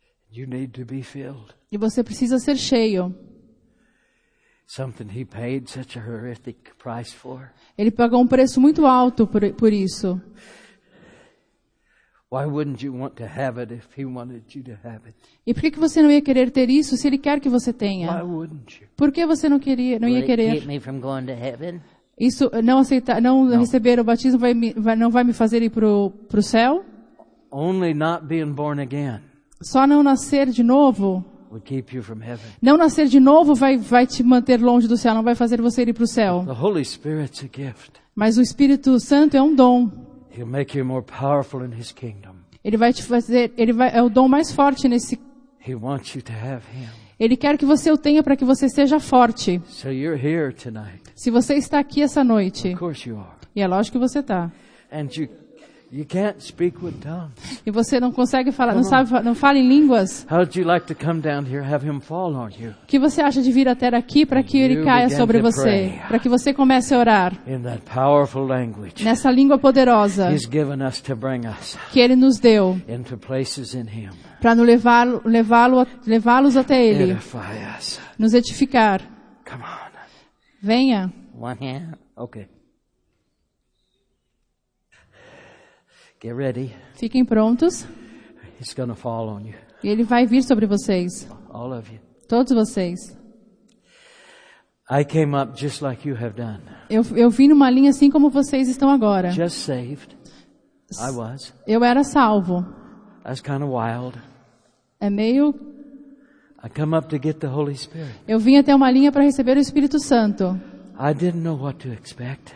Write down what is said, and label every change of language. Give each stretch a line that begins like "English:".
English: You need to be filled.
Portuguese: E você precisa ser cheio.
English: Something he paid such a horrific price for.
Portuguese: Ele pagou um preço muito alto por isso.
English: Why wouldn't you want to have it if he wanted you to have it?
Portuguese: E por que você não ia querer ter isso se ele quer que você tenha?
English: Why wouldn't you?
Portuguese: Por que você não queria, não
English: Would
Portuguese: ia querer?
English: Keep me from going to heaven?
Portuguese: Isso não aceitar, não no. Receber o batismo não vai me fazer ir pro céu?
English: Only not being born again.
Portuguese: Só não nascer de novo.
English: Would keep you from heaven.
Portuguese: Não nascer de novo vai te manter longe do céu, não vai fazer você ir pro céu.
English: The Holy Spirit's a gift.
Portuguese: Mas o Espírito Santo é um dom.
English: He'll make you more powerful in his kingdom.
Portuguese: Ele vai te fazer, é o dom mais forte nesse.
English: He wants you to have him.
Portuguese: Ele quer que você o tenha para que você seja forte.
English: So you're here tonight.
Portuguese: Se você está aqui essa noite.
English: Of course you are.
Portuguese: E é lógico que você está.
English: And you can't speak with tongues.
Portuguese: E você não consegue falar, não sabe, não fala em línguas.
English: How would you like to come down here, have him fall on you?
Portuguese: Que você acha de vir até aqui para que ele caia sobre você, para que você comece a orar?
English: In that powerful language.
Portuguese: Nessa língua poderosa.
English: He's given us to bring us.
Portuguese: Que ele nos deu.
English: Into places in him.
Portuguese: Para nos levá-los até ele.
English: Edify us.
Portuguese: Nos edificar.
English: Come on.
Portuguese: Venha.
English: One hand. Okay. Get ready.
Portuguese: Fiquem prontos.
English: He's gonna fall on you.
Portuguese: Ele vai vir sobre vocês.
English: All of you.
Portuguese: Todos vocês.
English: I came up just like you have done.
Portuguese: Eu vim numa linha assim como vocês estão agora.
English: Just saved. I was.
Portuguese: Eu era salvo.
English: I was kind of wild.
Portuguese: É meio.
English: I come up to get the Holy Spirit.
Portuguese: Eu vim até uma linha para receber o Espírito Santo.
English: I didn't know what to expect.